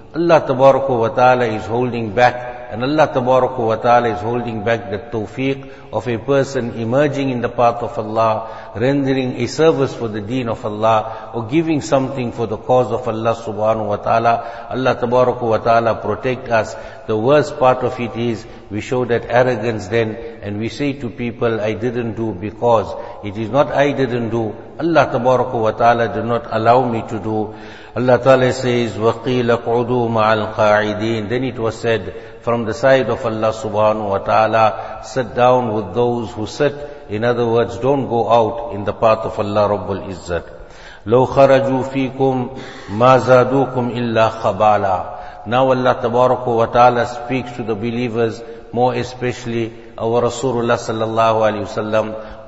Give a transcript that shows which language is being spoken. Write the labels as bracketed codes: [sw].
[en] Allah tabaraka wa ta'ala is holding back, and Allah tabaraka wa ta'ala is holding back the tawfiq of a person emerging in the path of Allah, rendering a service for the deen of Allah, or giving something for the cause of Allah subhanahu wa ta'ala. Allah tabaraka wa ta'ala protect us. The worst part of it is, we show that arrogance then, and we say to people, I didn't do because it is not I didn't do. Allah tabaraka wa ta'ala did not allow me to do. [ar] Allah ta'ala says, وَقِيلَ قُعُدُوا مَعَ الْقَاعِدِينَ. [en] Then it was said, from the side of Allah subhanahu wa ta'ala, sit down with those who sit. In other words, don't go out in the path of Allah Rabbul Izzat. [ar] لَوْ خَرَجُوا فِيكُمْ مَا زَادُوكُمْ إِلَّا خَبَالًا. [en] Now Allah Tabaraka wa Ta'ala speaks to the believers, more especially our Rasulullah sallallahu alayhi wa sallam.